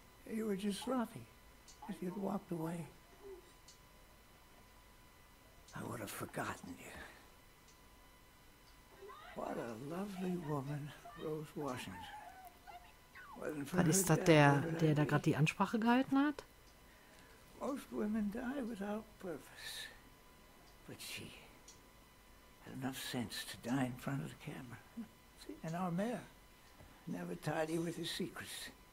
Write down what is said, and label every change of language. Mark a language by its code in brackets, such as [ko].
[en] You were just sloppy. If you'd walked away, I would have forgotten you. What a lovely woman, Rose Washington. [de] Was ist das der da gerade die Ansprache gehalten hat? [en] Most women die without purpose, but she had enough sense to die in front of the camera. See, and our mayor never tidy with his secrets.